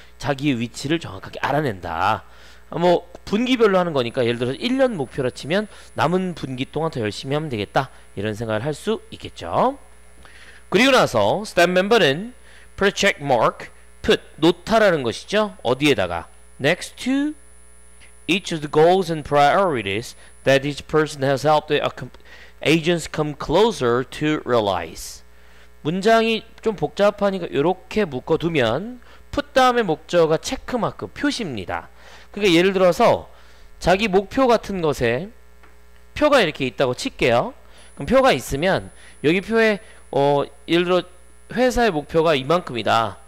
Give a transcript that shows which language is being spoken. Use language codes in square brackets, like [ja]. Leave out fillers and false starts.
[ko] 자기의 위치를 정확하게 알아낸다. 뭐 분기별로 하는 거니까 예를 들어서 1년 목표라 치면 남은 분기 동안 더 열심히 하면 되겠다 이런 생각을 할수 있겠죠. 그리고 나서 스탭 멤버는 프리체크 마크 풋 노타라는 것이죠. 어디에다가 [en] next to each of the goals and priorities that each person has helped the agents come closer to realize. [ko] 문장이 좀 복잡하니까 이렇게 묶어두면 풋 다음에 목적어가 체크마크 표시입니다. 그러니까 예를 들어서 자기 목표 같은 것에 표가 이렇게 있다고 칠게요. 그럼 표가 있으면 여기 표에 예를 들어 회사의 목표가 이만큼이다.